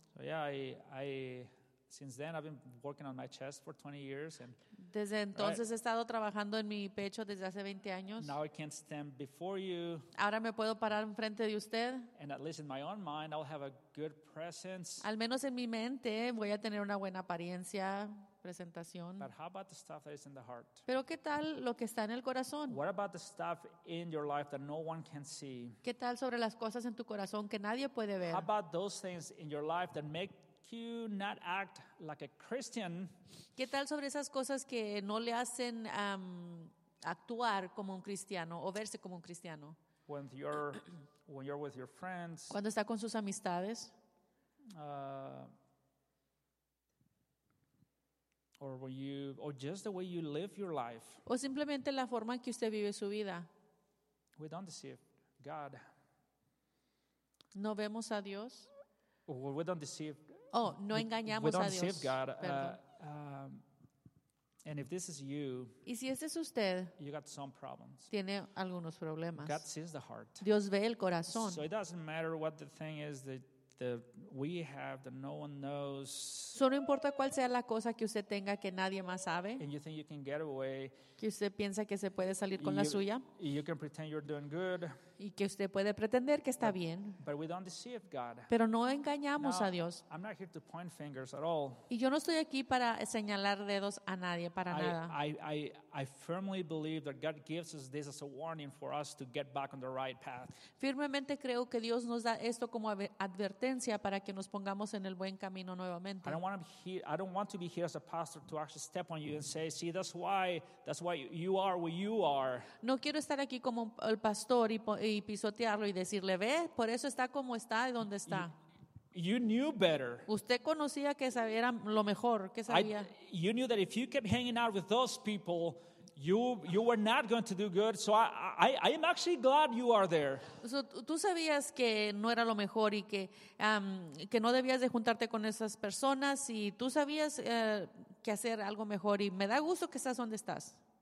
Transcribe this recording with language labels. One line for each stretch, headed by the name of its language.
English: So yeah, I since then I've been working on my chest for 20 years and.
Spanish: Desde entonces he estado trabajando en mi pecho desde hace 20 años.
English: Now I can stand before you.
Spanish: Ahora me puedo parar enfrente de usted.
English: And at least in my own mind, I'll have a good presence.
Spanish: Al menos en mi mente voy a tener una buena apariencia, presentación.
English: But how about the stuff that is in the heart?
Spanish: Pero ¿qué tal lo que está en el corazón?
English: What about the stuff in your life that no one can see?
Spanish: ¿Qué tal sobre las cosas en tu corazón que nadie puede ver?
English: How about those things in your life that make you not act like a Christian?
Spanish: ¿Qué tal sobre esas cosas que no le hacen actuar como un cristiano o verse como un cristiano?
English: When you're with your friends.
Spanish: Cuando está con sus amistades.
English: Or just the way you live your life.
Spanish: O simplemente la forma en que usted vive su vida.
English: We don't deceive God.
Spanish: No vemos a Dios.
English: We don't deceive.
Spanish: Oh, no engañamos a Dios.
English: We don't deceive God. And if this is you,
Spanish: y si este es usted,
English: you got some problems.
Spanish: Tiene algunos problemas.
English: God sees the heart.
Spanish: Dios ve el corazón.
English: So it doesn't matter what the thing is that we have that no one knows.
Spanish: So no importa cuál sea la cosa que usted tenga que nadie más sabe.
English: And you think you can get away.
Spanish: Que usted piensa que se puede salir con la suya.
English: You can pretend you're doing good.
Spanish: Y que usted puede pretender que está bien.
English: But we don't deceive God.
Spanish: Pero no engañamos
English: now,
Spanish: a Dios.
English: I'm not here to point fingers at all.
Spanish: Y yo no estoy aquí para señalar dedos a nadie, para nada.
English: I firmly believe that God gives us this as a warning for us to get back on the right path.
Spanish: Firmemente creo que Dios nos da esto como advertencia para que nos pongamos en el buen camino nuevamente.
English: I don't want to be here as a pastor to actually step on you and say, see, that's why you are where you are.
Spanish: No quiero estar aquí como el pastor y pisotearlo y decirle, ve, por eso está como está y donde está.
English: You knew better.
Spanish: Usted conocía que sabía lo mejor, que sabía.
English: You knew that if you kept hanging out with those people, you were not going to do good. So I am actually glad you are there.
Spanish: So, tú sabías que no era lo mejor y que no debías de juntarte con esas personas y tú sabías que hacer algo mejor y me da gusto que estás donde estás.